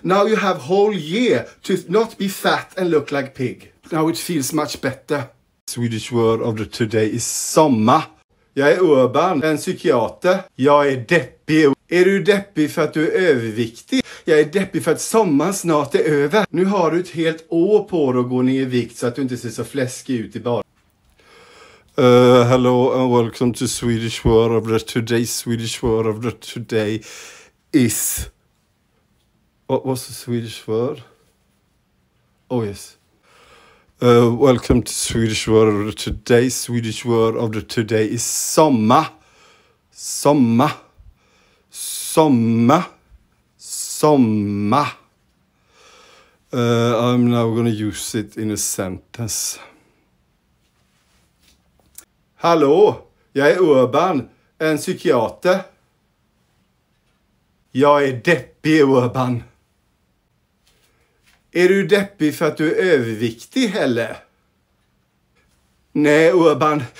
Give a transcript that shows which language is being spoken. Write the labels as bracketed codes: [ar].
[en] Now you have whole year to not be fat and look like pig. Now it feels much better. Swedish word of the today is sommar. [sv] Jag är urban, en psykiater. Jag är deppig. Är du deppig för att du är överviktig? Jag är deppig för att sommaren snart är över. Nu har du ett helt år på dig att gå ner i vikt så att du inte ser så fläskig ut i bara. [en] Hello and welcome to Swedish World of the Today. Swedish World of the Today is... What was the Swedish word? Oh yes. Welcome to Swedish World of the Today. Swedish word of the today is sommar. Sommar. [sv] Sommar. Sommar. [en] I'm now going to use it in a sentence. [sv] Hallå, jag är urban, en psykiater. Jag är deppig urban. Är du deppig för att du är överviktig heller? Nej, Urban.